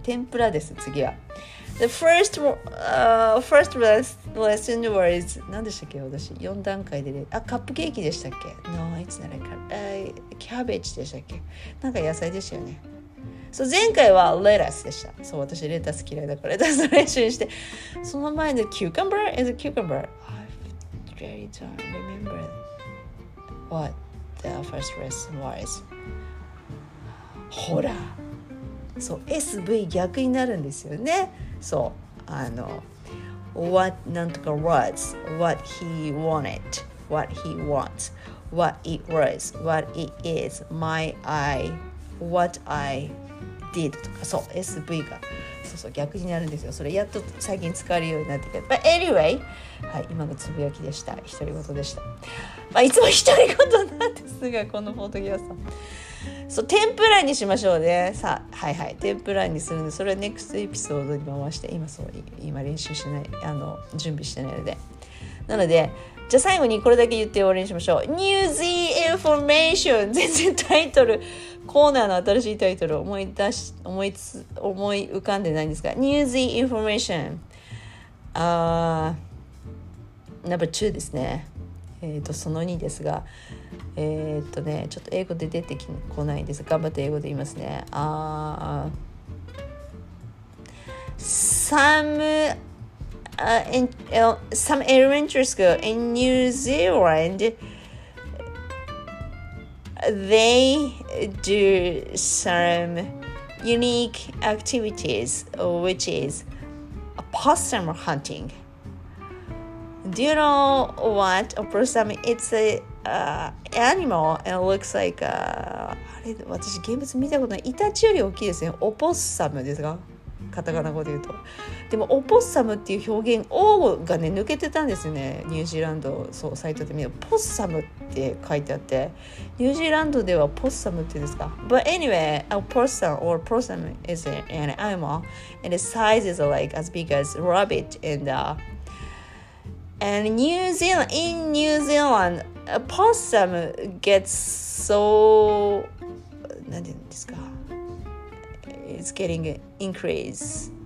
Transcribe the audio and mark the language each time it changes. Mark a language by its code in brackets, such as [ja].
[ja] 天ぷらです、次は。 [en] The first, first lesson was [ja] 何でしたっけ、私4段階で、ね、あ、カップケーキでしたっけ。 [en] No, it's not a cup. [ja] キャベツでしたっけ、なんか野菜でしたよね。 [en] So, [ja] 前回はレタスでした。そう、私レタス嫌いだからレタス練習して、その前のキューカンバー [en] is a cucumber. I really don't remember what the first lesson was. [ja] ほらそう SV 逆になるんですよね。そうあの What なんとか was [en] What he wanted What he wants What it was What it is My I What I did [ja] とか、そう SV がそうそう逆になるんですよ。それやっと最近使えるようになってきた。 [en] But anyway、 [ja] はい、今のつぶやきでした。独り言でした。まあ、いつも独り言なんですがこのポートギアさん、そう天ぷらにしましょうね。さあはいはい天ぷらにするんで、それはネクストエピソードに回して、今そう今練習してない、あの準備してないので、なのでじゃあ最後にこれだけ言って終わりにしましょう。ニュージーインフォメーション、全然タイトルコーナーの新しいタイトル思い浮かんでないんですが、ニュージーインフォメーション、あナンバー2ですね。その2ですが、ね、ちょっと英語で出てこないんです、頑張って英語で言いますね。 [en] あサムSome elementary school in New Zealand, they do some unique activities, which is opossum hunting. Do you know what opossum? It's a animal. It looks like a. [ja] あれ、私現物見たことない。イタチより大きいですね。オポッサムですか？カタカナ語で言うと。でもオポッサムっていう表現 O がね抜けてたんですよね、ニュージーランド。そうサイトで見るとポッサムって書いてあって、ニュージーランドではポッサムって言うんですか。 [en] But anyway, a possum or possum is an animal and its size is like as big as rabbit and New Zealand, in New Zealand a possum gets so [ja] 何て言うんですか、 [en] It's getting increase.